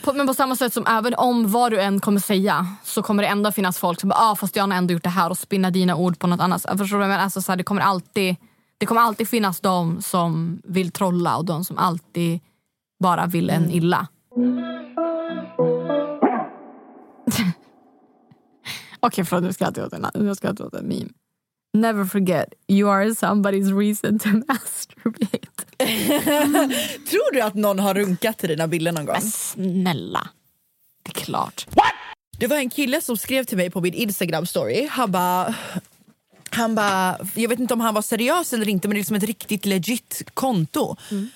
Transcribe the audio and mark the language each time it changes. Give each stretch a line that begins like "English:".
Swedish: Ja, men på samma sätt som även om vad du än kommer säga så kommer det ändå finnas folk som bara, ah, fast jag har ändå gjort det här och spinna dina ord på något annat. Förstår du vad jag menar? Alltså, så här, det kommer alltid finnas de som vill trolla och de som alltid bara vill en illa. Okej, förlåt, nu ska jag inte åt en meme.
English: Never forget, you are somebody's reason to masturbate.
Swedish: Tror du att någon har runkat i dina bilder någon gång? Men snälla, det är klart. What? Det var en kille som skrev till mig på min Instagram story. Han bara, jag vet inte om han var seriös eller inte, men det är som ett riktigt legit konto. Mm.